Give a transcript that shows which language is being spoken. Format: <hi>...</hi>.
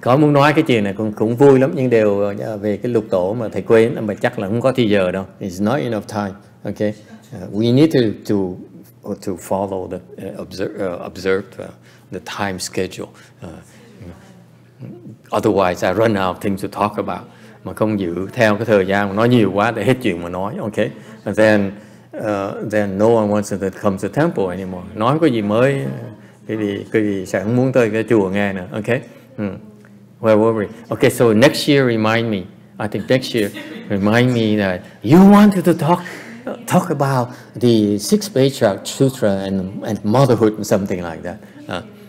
<vi>Có muốn nói cái chuyện này cũng vui lắm, nhưng đều về cái lục độ mà thầy quên, mà chắc là không có thời giờ đâu.</vi> <en>It's not enough time. Okay. We need to follow the observed the time schedule. Otherwise, I run out of things to talk about.</en> <vi>Mà không giữ theo cái thời gian, nói nhiều quá để hết chuyện mà nói.</vi> <en>Okay, and then no one wants to come to temple anymore.</en> <vi>Nói có gì mới, cái gì sẽ không muốn tới cái chùa nghe nữa.</vi> <en>Okay, where were we? Okay, so next year remind me. I think next year remind me that you wanted to talk about the six patriarch sutra and motherhood and something like that.</en>